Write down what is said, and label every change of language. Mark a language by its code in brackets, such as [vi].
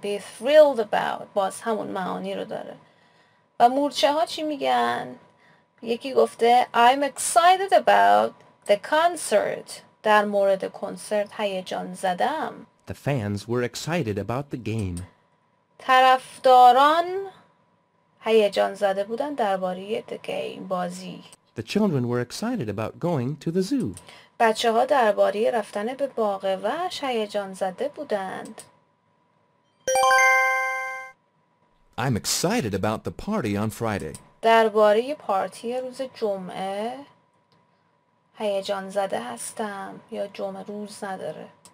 [en] Be thrilled about, [fa] باز همون معانی رو داره. و مورچه ها چی میگن؟ یکی گفته [en] I'm excited about the concert. [fa] در مورد کنسرت هیجان زدم. [en] The fans were excited about the game. [fa] طرفداران هیجان زده بودن درباره [en] the game, [fa] بازی. [en] The children were excited about going to the zoo. [fa] بچه ها درباره رفتن به باغ وحش هیجان زده بودند. [en] I'm excited about the party on Friday. [fa] درباره پارتی روز جمعه هیجان زده هستم, یا جمعه روز نداره.